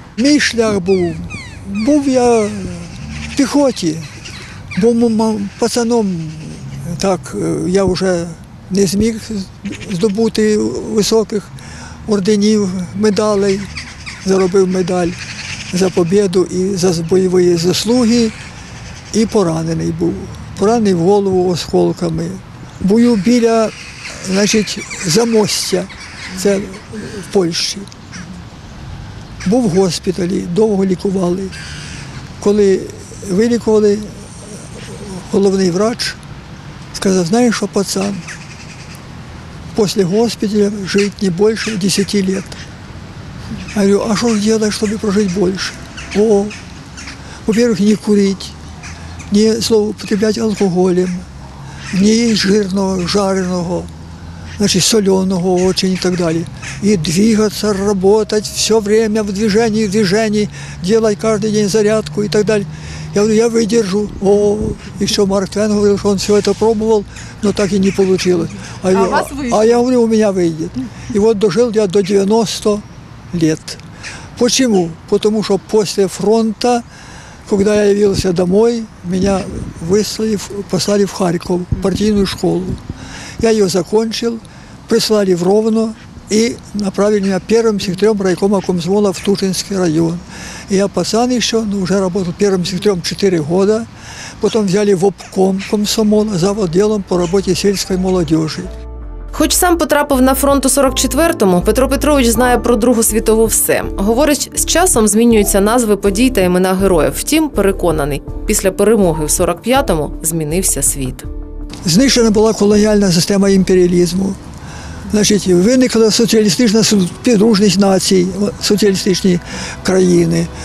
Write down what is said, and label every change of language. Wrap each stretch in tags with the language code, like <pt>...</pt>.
<uk>Мій шлях був я в піхоті, бо пацаном так я вже не зміг здобути високих орденів, медалей, заробив медаль за побіду і за бойові заслуги, і поранений був. Поранений в голову осколками. Бою біля, значить, Замостя, це в Польщі. Був в госпіталі, довго лікували. Коли вилікували, головний врач сказав: «Знаєш що, пацан, після госпіталя жити не більше 10 років». Я говорю: «А що ж робити, щоб прожити більше?» «О, по-перше, не курити, не зловоупотребляти алкоголем, не їсти жирного, жареного.</uk> <ru>значить, соленого очень и так далее. И двигаться, работать, все время в движении, делать каждый день зарядку и так далее. Я говорю, я выдержу. О, еще Марк Твен говорил, что он все это пробовал, но так и не получилось. А я говорю, у меня выйдет. И вот дожил я до 90 лет. Почему? Потому что после фронта, когда я явился домой, меня выслали, послали в Харьков, партийную школу. Я ее закончил, прислали в Ровно и направили меня первым секретарем райкома комсомола в Тушинский район. И я пацан еще, но уже работал первым секретарем 4 года. Потом взяли в обком комсомола за отделом по работе сельской молодежи.</ru> <uk>Хоч сам потрапив на фронт у 44-му, Петро Петрович знає про Другу світову все. Говорить, з часом змінюються назви подій та імена героїв. Втім, переконаний, після перемоги в 45-му змінився світ. Знищена була колоніальна система імперіалізму. Значить, виникла соціалістична підружність націй, соціалістичні країни.</uk>